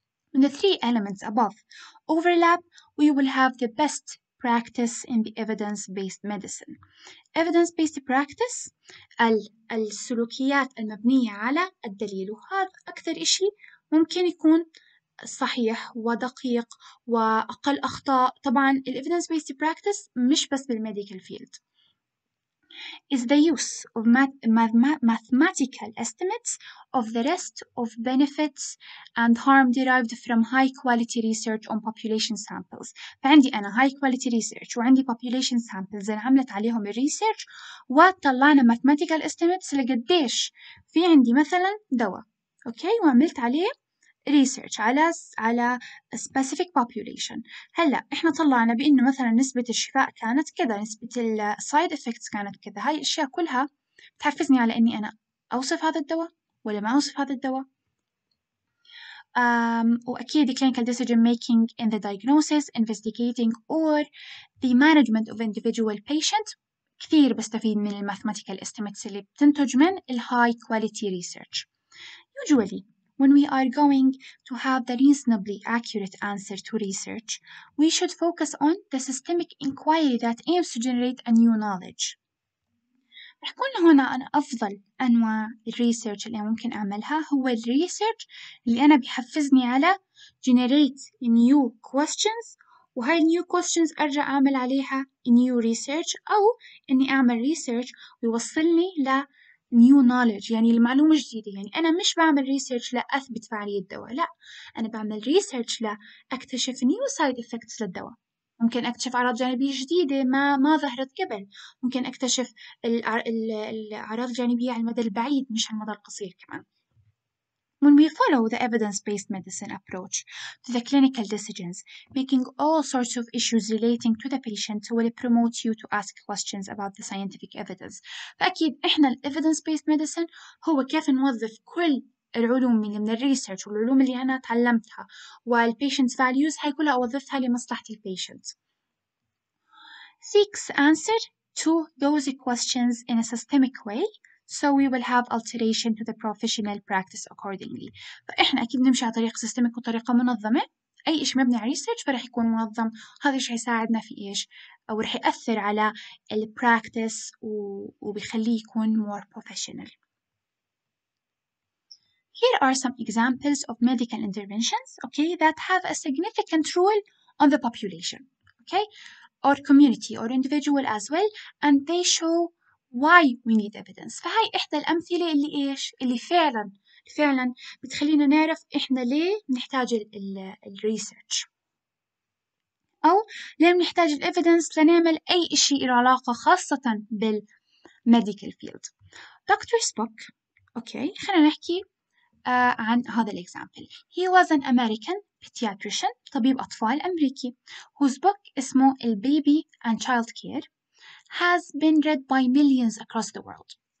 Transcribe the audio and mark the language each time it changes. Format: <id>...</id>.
<en>When the three elements above overlap, we will have the best practice in the evidence based medicine.</en> <ar>Evidence based practice السلوكيات المبنية على الدليل, وهذا أكثر إشي ممكن يكون صحيح ودقيق وأقل أخطاء. طبعا الـ evidence based practice مش بس بالميديكال فيلد,</ar> <en>is the use of mathematical estimates of the risks of benefits and harm derived from high quality research on population samples.</en> <ar>فعندي أنا high quality research وعندي population samples اللي عملت عليهم الريسيرش وطلعنا mathematical estimates لقديش في عندي مثلا دواء أوكي وعملت عليه research على specific population. هلأ إحنا طلعنا بأنه مثلا نسبة الشفاء كانت كذا، نسبة side effects كانت كذا، هاي الأشياء كلها بتحفزني على أني أنا أوصف هذا الدواء ولا ما أوصف هذا الدواء.</ar> <en>وأكيد clinical decision making in the diagnosis, investigating or the management of individual patient</en> <ar>كثير بستفيد من</ar> <en>mathematical estimates</en> <ar>اللي بتنتج من</ar> <en>high quality research. Usually when we are going to have the reasonably accurate answer to research, we should focus on the systemic inquiry that aims to generate a new knowledge.</en> <ar>رح كون هنا أنا أفضل أنواع الريسيرش اللي ممكن أعملها هو الريسيرش اللي أنا بيحفزني على</ar> <en>generate new questions،</en> <ar>وهاي new questions أرجع أعمل عليها new research، أو أني أعمل research ويوصلني ل new knowledge يعني المعلومة الجديدة. يعني أنا مش بعمل research لأثبت فعالية الدواء، لا، أنا بعمل research لأكتشف new side effects للدواء. ممكن أكتشف أعراض جانبية جديدة ما ظهرت قبل، ممكن أكتشف الأعراض الجانبية على المدى البعيد مش على المدى القصير كمان.</ar> <en>When we follow the evidence-based medicine approach to the clinical decisions, making all sorts of issues relating to the patient will promote you to ask questions about the scientific evidence.</en> <ar>فأكيد إحنا evidence-based medicine هو كيف نوظف كل العلوم اللي من الريسيرش والعلوم اللي أنا تعلمتها والpatient's values، هاي كلها أوظفها لمصلحة الpatient.</ar> <en>Seeks answer to those questions in a systemic way, so we will have alteration to the professional practice accordingly.</en> <ar>فإحنا أكيد نمشي على طريق سيستميك وطريقة منظمة. أي إشي مبني على ريسيرش فرح يكون منظم، هذا إشي هيساعدنا في إيش أو رح يأثر على البراكتس وبيخليه يكون</ar> <en>more professional. Here are some examples of medical interventions, okay, that have a significant role on the population, okay, or community or individual as well, and they show why we need evidence.</en> <ar>فهاي إحدى الأمثلة اللي إيش اللي فعلا بتخلينا نعرف إحنا ليه بنحتاج ال research أو ليه بنحتاج ال evidence لنعمل أي إشي له علاقة خاصة بال medical field. دكتور سبوك، أوكي خلينا نحكي عن هذا ال example.</ar> <en>He was an American pediatrician،</en> <ar>طبيب أطفال أمريكي،</ar> <en>whose book اسمه The Baby and Child Care has been read by millions across the world.</en>